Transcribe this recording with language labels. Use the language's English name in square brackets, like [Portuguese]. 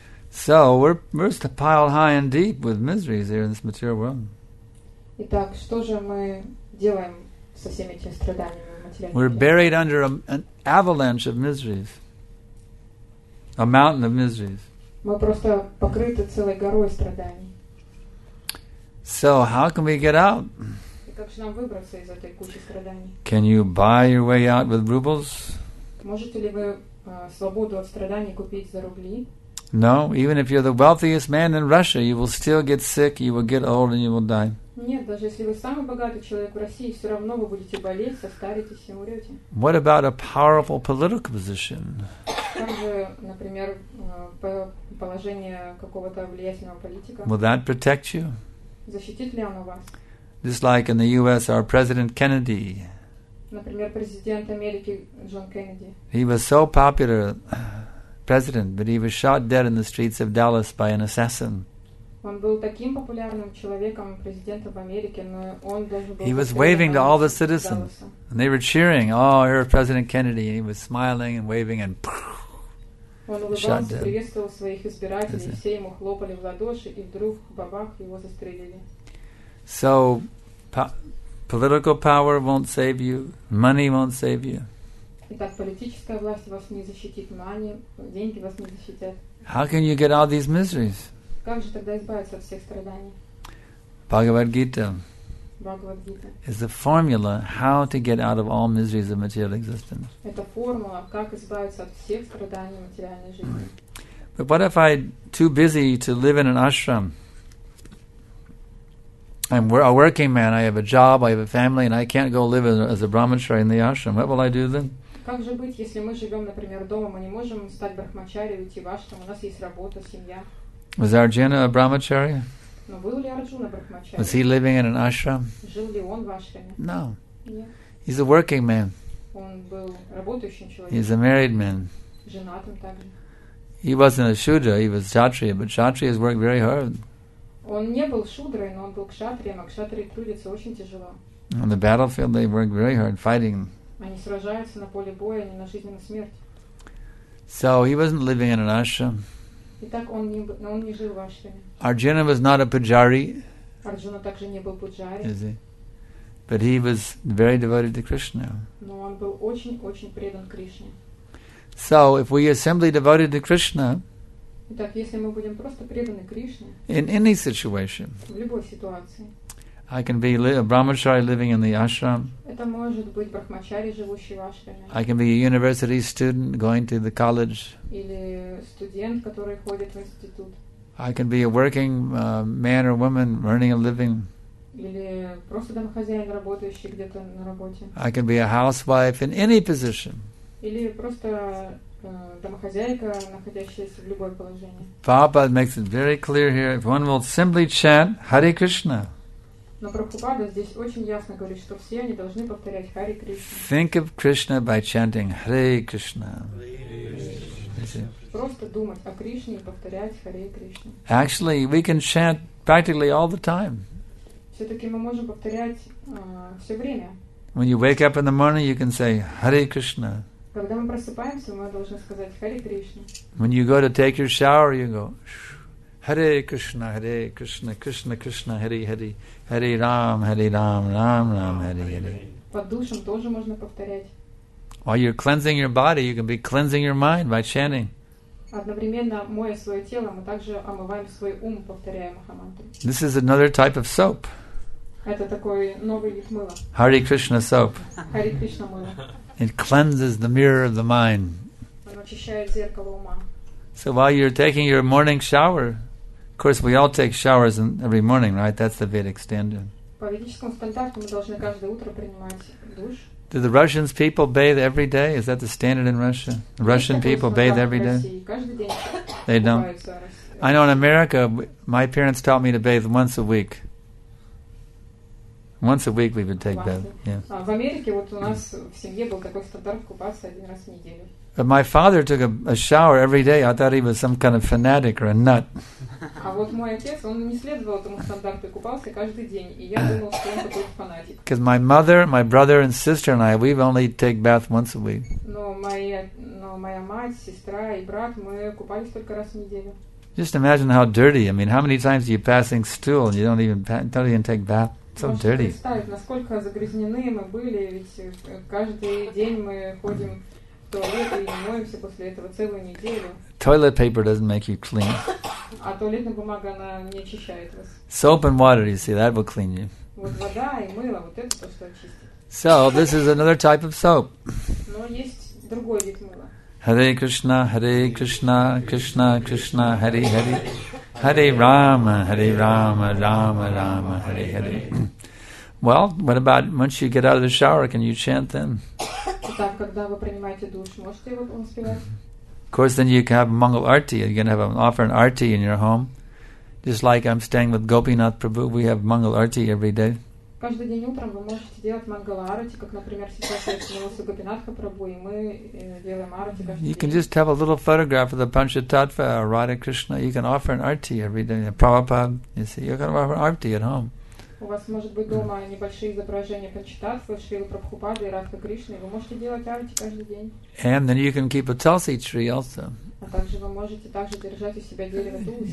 [English] So we're just piled high and deep with miseries here in this material world. [Russian] Итак, что же мы делаем со всеми этими страданиями материальными? [English] We're buried under an avalanche of miseries, a mountain of miseries. [Russian] Мы просто покрыты целой горой страданий. [English] So how can we get out? [Russian] Как же нам выбраться из этой кучи страданий? [English] Can you buy your way out with rubles? [Russian] Можете ли вы свободу от страданий купить за рубли? [English] No, even if you're the wealthiest man in Russia, you will still get sick, you will get old, and you will die. [Russian] Нет, даже если вы самый богатый человек в России, все равно вы будете болеть, состаритесь и умрете. [English] What about a powerful political position? [Russian] Как же, например, положение какого-то влиятельного политика? [English] Will that protect you? [Russian] Защитит ли оно вас? [English] Just like in the U.S., our President Kennedy. [Russian] Например, президент Америки Джон Кеннеди. [English] He was so popular, president, but he was shot dead in the streets of Dallas by an assassin. [Russian] Он был таким популярным человеком, президентом в Америке, но он даже был. [English] He was waving to all the citizens, and they were cheering. Oh, here is President Kennedy, and he was smiling and waving, and shot dead. [Russian] Он улыбался, приветствовал своих избирателей, и все ему хлопали в ладоши, и вдруг бабах, его застрелили. [English] So, political power won't save you. Money won't save you. [Russian] Итак, политическая власть вас не защитит. Money, деньги вас не защитят. [English] How can you get out of these miseries? [Russian] Как же тогда избавиться от всех страданий? Бхагавад-гита. Бхагавад-гита. [English] Is the formula how to get out of all miseries of material existence. [Russian] Это формула, как избавиться от всех страданий материальной жизни. [English] But what if I'm too busy to live in an ashram? I'm a working man, I have a job, I have a family, and I can't go live as a brahmachari in the ashram. What will I do then? [Russian] Как же быть, если мы живем, например, дома, мы не можем стать брахмачари, уйти в ашрам, у нас есть работа, семья. [English] Was Arjuna a brahmachari? [Russian] Но был ли Арджуна брахмачари? [English] Was he living in an ashram? [Russian] Жил ли он в ашраме? [English] No. [Russian] Нет. [English] He's a working man. [Russian] Он был работающим человеком. [English] He's a married man. [Russian] Женатым также. [English] He wasn't a shudra, he was kshatriya, but kshatriyas work very hard. [Russian] Он не был шудрой, но он был кшатрием, а кшатрии трудятся очень тяжело. [English] On the battlefield they work very hard fighting. [Russian] Они сражаются на поле боя, не на жизнь и на смерть. [English] So he wasn't living in an ashram. [Russian] Итак, он не жил в ашраме. [English] Arjuna was not a pujari. [Russian] Арджуна также не был пуджари. [English] Is he? But he was very devoted to Krishna. [Russian] Но он был очень-очень предан Кришне. [English] So, if we are simply devoted to Krishna, [Russian] итак, если мы будем просто преданы Кришне, [English] in any situation, [Russian] в любой ситуации, [English] I can be a brahmachari living in the ashram. [Russian] Это может быть брахмачари, живущий в ашраме. [English] I can be a university student going to the college. [Russian] Или студент, который ходит в институт. [English] I can be a working man or woman earning a living. [Russian] Или просто домохозяин, работающий где-то на работе. [English] I can be a housewife in any position. [Russian] Или просто домохозяйка, находящаяся в любом положении. [English] Prabhupada makes it very clear here. If one will simply chant Hare Krishna. [Russian] Но Прабхупада здесь очень ясно говорит, что все они должны повторять Hare Krishna. [English] Think of Krishna by chanting Hare Krishna. [Russian] Просто думать о Кришне и повторять Hare Krishna. [English] Actually, we can chant practically all the time. [Russian] Все-таки мы можем повторять все время. [English] When you wake up in the morning, you can say Hare Krishna. [Russian] Когда мы просыпаемся, мы должны сказать Hare Krishna. [English] When you go to take your shower, you go Hare Krishna, Krishna Krishna, Hare Hare, Hare Ram, Hare Ram, Ram Ram, Hare Hare. [Russian] Под душем тоже можно повторять. [English] While you're cleansing your body, you can be cleansing your mind by chanting. [Russian] Одновременно моя свое тело, мы также омываем свой ум, повторяя махамантру. [English] This is another type of soap. [Russian] Это такой новый вид мыла. [English] Hare Krishna soap. [Russian] Hare Krishna мыло. [English] It cleanses the mirror of the mind. [Russian] Оно очищает зеркало ума. [English] So while you're taking your morning shower, of course we all take showers every morning, right? That's the Vedic standard. [Russian] По ведическому стандарту мы должны каждое утро принимать душ. [English] Do the Russian people bathe every day? Is that the standard in Russia? Russian people bathe every day? They don't. I know in America, my parents taught me to bathe once a week. Once a week we would take bath. Yeah. [Russian] В Америке вот у нас в семье был такой стандарт купаться один раз в неделю. [English] But my father took a shower every day. I thought he was some kind of fanatic or a nut. [Russian] А вот мой отец, он не следовал этому стандарту, купался каждый день, и я думал, что он какой-то фанатик. [English] Because my mother, my brother and sister and I, we only take bath once a week. [Russian] Но моя мать, сестра и брат, мы купались только раз в неделю. [English] Just imagine how dirty. I mean, how many times are you passing stool and you don't even take bath? So dirty. [Russian] Представить, насколько загрязнены мы были, ведь каждый день мы ходим в туалет и моемся после этого целую неделю. [English] Toilet paper doesn't make you clean. [Russian] А туалетная бумага, она не очищает вас. [English] Soap and water, you see, that will clean you. [Russian] Вот вода и мыло, вот это то, что очистит. [English] So, this is another type of soap. [Russian] Но есть другой вид мыла. [Sanskrit] Hare Krishna, Hare Krishna, Krishna Krishna, Hare Hare. Hare Rama, Hare Rama, Rama Rama, Hare Hare. [English] Well, what about once you get out of the shower, can you chant then? Of course, then you can have a Mangal Arti. You're going to offer an Arti in your home. Just like I'm staying with Gopinath Prabhu, we have Mangal Arti every day. [Russian] Каждый день утром вы можете делать мангала арати, как, например, сейчас я снялась у Гопинатха Прабху, и мы делаем арати каждый день. [English] You can just have a little photograph of the Panchatattva or Radha Krishna. You can offer an arti every day. Prabhupada, you see, you can offer an arti at home. [Russian] У вас может быть дома небольшие изображения Панчататтвы, Шрилы Прабхупады и Радха Кришны. Вы можете делать арати каждый день. [English] And then you can keep a tulsi tree also. [Russian] А также вы можете также держать у себя дерево тулси.